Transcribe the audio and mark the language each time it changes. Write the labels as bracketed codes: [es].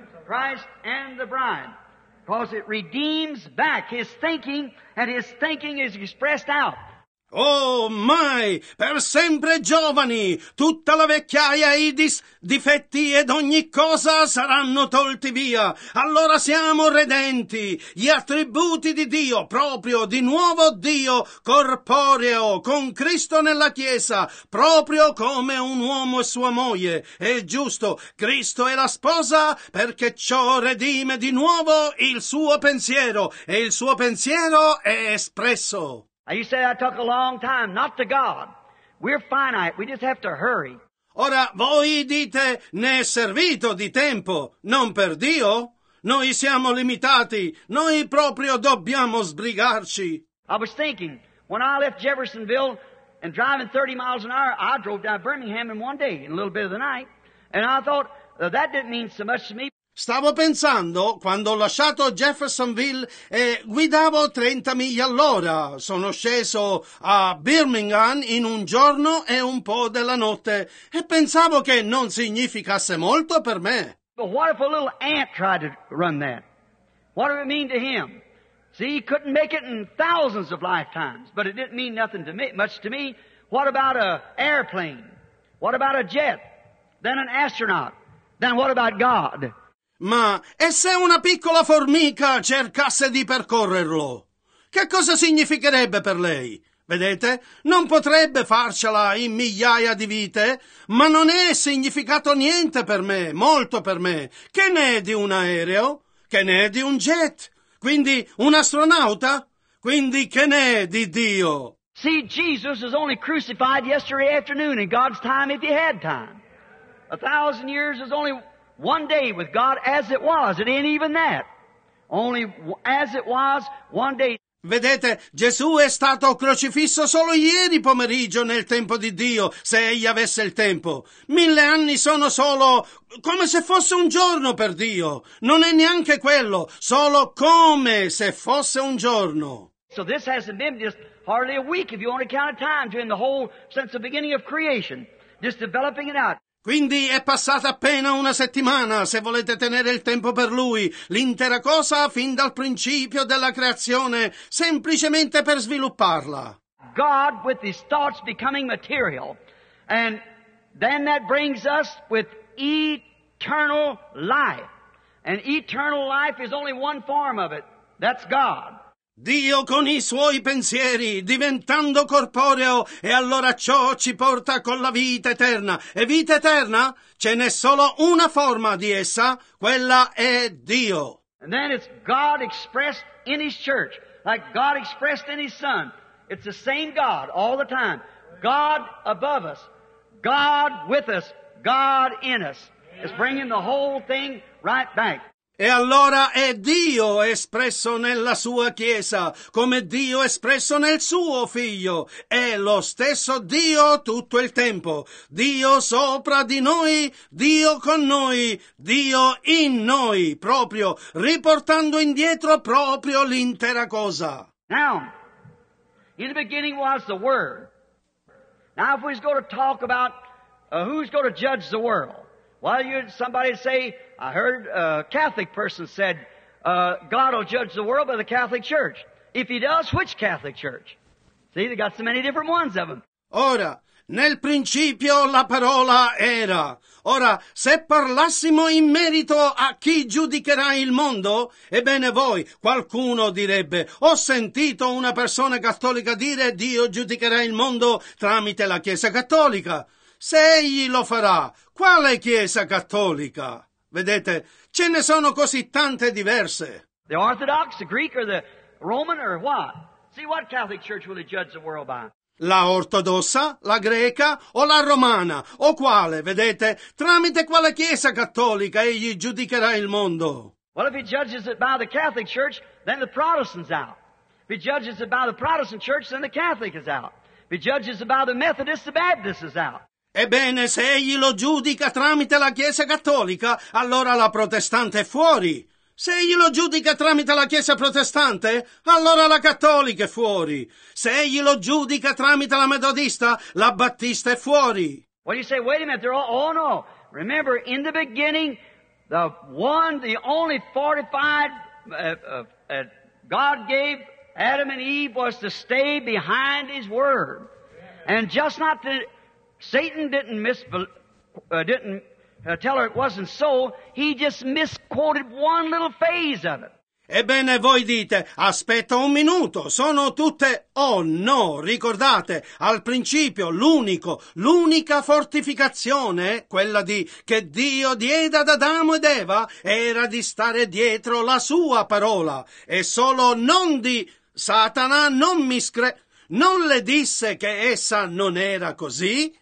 [en] Christ and the bride. Because it redeems back his thinking, and his thinking is expressed out. [it] Oh, mai, per sempre giovani, tutta la vecchiaia, i difetti ed ogni cosa saranno tolti via. Allora siamo redenti, gli attributi di Dio, proprio di nuovo Dio, corporeo, con Cristo nella Chiesa, proprio come un uomo e sua moglie. È giusto, Cristo è la sposa, perché ciò redime di nuovo il suo pensiero, e il suo pensiero è espresso. [en] You say that took a long time, not to God. We're finite, we just have to hurry. [it] Ora, voi dite, ne è servito di tempo, non per Dio. Noi siamo limitati, noi proprio dobbiamo sbrigarci. [en] I was thinking, when I left Jeffersonville and driving 30 miles an hour, I drove down Birmingham in one day, in a little bit of the night, and I thought, that didn't mean so much to me. [it] Stavo pensando, quando ho lasciato Jeffersonville, guidavo 30 miglia all'ora. Sono sceso a Birmingham in un giorno e un po' della notte. E pensavo che non significasse molto per me. [en] But what if a little ant tried to run that? What did it mean to him? See, he couldn't make it in thousands of lifetimes, but it didn't mean nothing to me, much to me. What about an airplane? What about a jet? Then an astronaut? Then what about God? [it] Ma e se una piccola formica cercasse di percorrerlo? Che cosa significherebbe per lei? Vedete, non potrebbe farcela in migliaia di vite, ma non è significato niente per me, molto per me. Che ne è di un aereo? Che ne è di un jet? Quindi un astronauta? Quindi che ne è di Dio? [en] See, Jesus was only crucified yesterday afternoon in God's time if he had time. 1,000 years is only one day with God as it was. It ain't even that. Only as it was, one day. [it] Vedete, Gesù è stato crocifisso solo ieri pomeriggio nel tempo di Dio, se egli avesse il tempo. 1,000 anni sono solo come se fosse un giorno per Dio. Non è neanche quello, solo come se fosse un giorno. [en] So this hasn't been just hardly a week if you only count a time during the whole since the beginning of creation, just developing it out. [it] Quindi è passata appena una settimana, se volete tenere il tempo per lui, l'intera cosa fin dal principio della creazione, semplicemente per svilupparla. [en] God with his thoughts becoming material, and then that brings us with eternal life, and eternal life is only one form of it, that's God. [it] Dio con i suoi pensieri, diventando corporeo, e allora ciò ci porta con la vita eterna. E vita eterna? Ce n'è solo una forma di essa, quella è Dio. [en] And then it's God expressed in his church, like God expressed in his son. It's the same God all the time. God above us, God with us, God in us. It's bringing the whole thing right back. [it] E allora è Dio espresso nella sua Chiesa, come Dio espresso nel suo Figlio. È lo stesso Dio tutto il tempo. Dio sopra di noi, Dio con noi, Dio in noi, proprio, riportando indietro proprio l'intera cosa. [en] Now, in the beginning was the Word. Now if we was going to talk about who's going to judge the world, well, you'd somebody say, I heard a Catholic person said, God will judge the world by the Catholic Church. If he does, which Catholic Church? See, they got so many different ones of them. [it] Ora, nel principio la parola era. Ora, se parlassimo in merito a chi giudicherà il mondo, ebbene voi, qualcuno direbbe, ho sentito una persona cattolica dire Dio giudicherà il mondo tramite la Chiesa Cattolica. Se egli lo farà, quale Chiesa Cattolica? Vedete, ce ne sono così tante diverse. [en] The Orthodox, the Greek, or the Roman, or what? See, what Catholic Church will he judge the world by? [it] La ortodossa, la greca, o la romana, o quale, vedete? Tramite quale Chiesa Cattolica egli giudicherà il mondo? [en] Well, if he judges it by the Catholic Church, then the Protestant's out. If he judges it by the Protestant Church, then the Catholic is out. If he judges it by the Methodist, the Baptist is out. [it] Ebbene, se egli lo giudica tramite la Chiesa Cattolica, allora la protestante è fuori. Se egli lo giudica tramite la Chiesa Protestante, allora la Cattolica è fuori. Se egli lo giudica tramite la Metodista, la Battista è fuori. [en] What do you say? Wait a minute. They're all, oh no. Remember, in the beginning, the one, the only fortified that God gave Adam and Eve was to stay behind his word. And just not to... Satan didn't tell her it wasn't so, he just misquoted one little phase of it. [it] Ebbene, voi dite, aspetta un minuto, sono tutte, oh no, ricordate, al principio, l'unica fortificazione, quella di che Dio diede ad Adamo ed Eva, era di stare dietro la sua parola, e solo non di Satana, non le disse che essa non era così?